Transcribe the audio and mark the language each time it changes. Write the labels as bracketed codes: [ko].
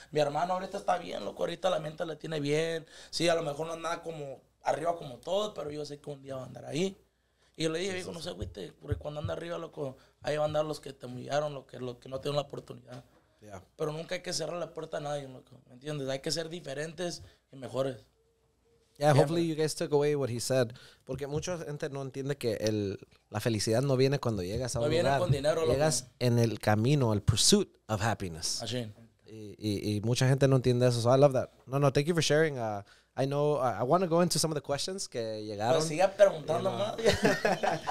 [es] Mi hermano ahorita está bien, loco, ahorita la mente la tiene bien. Sí, a lo mejor no anda como arriba como todo, pero yo sé que un día va a andar ahí. Y yo le dije, no sé, güey, porque cuando anda arriba, loco, ahí van a andar los que te humillaron, los que no tienen la oportunidad. Yeah. Pero nunca hay que cerrar la puerta a nadie, loco, ¿me entiendes? Hay que ser diferentes y mejores. [en] Yeah, yeah, hopefully you guys took away what he said. [es] Porque mucha gente no entiende que el, la felicidad no viene cuando llegas a un lugar. No viene con dinero. Llegas loco. En el camino, el pursuit of happiness. Así. [en] Y mucha gente no entiende eso. So I love that. No, no, thank you for sharing. I know, I want to go into some of the questions que llegaron. [es] Pues siga preguntando más. You know.